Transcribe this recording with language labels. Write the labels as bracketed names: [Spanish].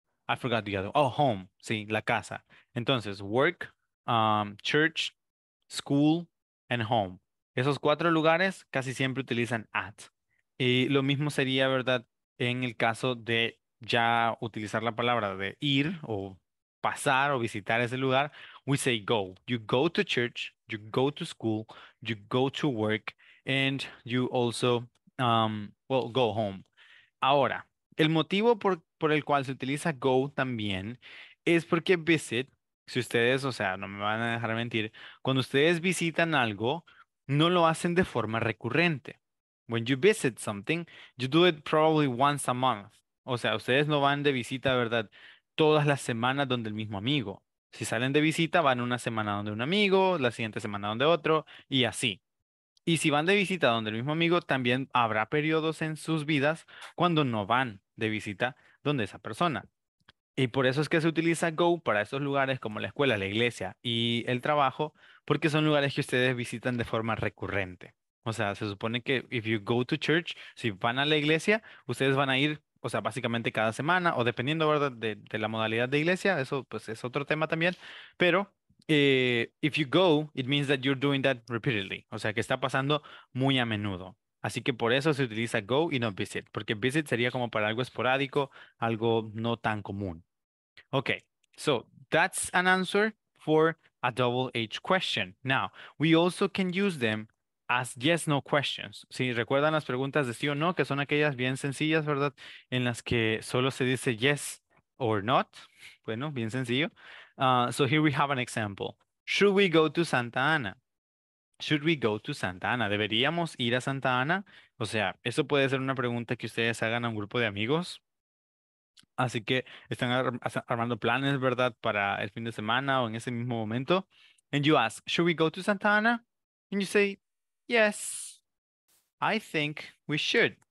[English] I forgot the other. Oh, home. [Spanish] Sí, la casa. Entonces, [English] work, church, school, and home. [Spanish] Esos cuatro lugares casi siempre utilizan at. Y lo mismo sería, ¿verdad?, en el caso de ya utilizar la palabra de ir o pasar o visitar ese lugar. [English] We say go. You go to church, you go to school, you go to work, and you also, go home. [Spanish] Ahora, el motivo por el cual se utiliza go también es porque visit, si ustedes, o sea, no me van a dejar mentir, cuando ustedes visitan algo, no lo hacen de forma recurrente. [English] When you visit something, you do it probably once a month. [Spanish] O sea, ustedes no van de visita, ¿verdad?, todas las semanas donde el mismo amigo. Si salen de visita, van una semana donde un amigo, la siguiente semana donde otro, y así. Y si van de visita donde el mismo amigo, también habrá periodos en sus vidas cuando no van de visita donde esa persona. Y por eso es que se utiliza go para esos lugares como la escuela, la iglesia y el trabajo, porque son lugares que ustedes visitan de forma recurrente. O sea, se supone que [English] if you go to church, [Spanish] si van a la iglesia, ustedes van a ir, o sea, básicamente cada semana, o dependiendo, ¿verdad?, de la modalidad de iglesia, eso pues es otro tema también. Pero [English] if you go, it means that you're doing that repeatedly. [Spanish] O sea, que está pasando muy a menudo. Así que por eso se utiliza go y no visit, porque visit sería como para algo esporádico, algo no tan común. [English] Okay, so that's an answer for a double H question. Now, we also can use them as yes, no questions. [Spanish] ¿Sí? ¿Recuerdan las preguntas de sí o no? Que son aquellas bien sencillas, ¿verdad? En las que solo se dice [English] yes or not. [Spanish] Bueno, bien sencillo. [English] So here we have an example. Should we go to Santa Ana? Should we go to Santa Ana? [Spanish] ¿Deberíamos ir a Santa Ana? O sea, eso puede ser una pregunta que ustedes hagan a un grupo de amigos. Así que están armando planes, ¿verdad? Para el fin de semana o en ese mismo momento. [English] And you ask, should we go to Santa Ana? And you say, yes, I think we should.